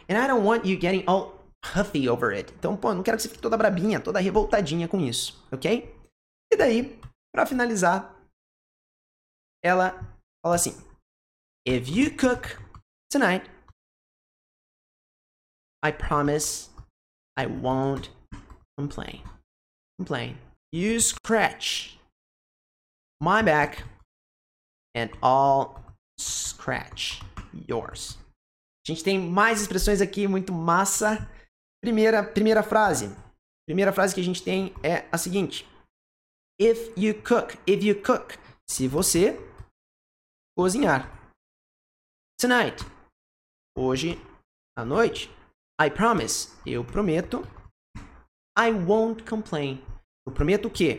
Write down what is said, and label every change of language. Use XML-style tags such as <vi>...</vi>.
<en>And I don't want you getting all huffy over it.</en> <pt>Então, pô, não quero que você fique toda brabinha, toda revoltadinha com isso, ok? E daí, pra finalizar, ela fala assim,</pt> <en>if you cook tonight, I promise I won't complain. You scratch my back and I'll scratch yours.</en> <pt>A gente tem mais expressões aqui, muito massa. Primeira frase que a gente tem é a seguinte.</pt> <en>If you cook,</en> <pt>se você cozinhar. Tonight, hoje à noite,</pt> <en>I promise,</en> <pt>eu prometo,</pt> <en>I won't complain.</en> <pt>Eu prometo o quê?</pt>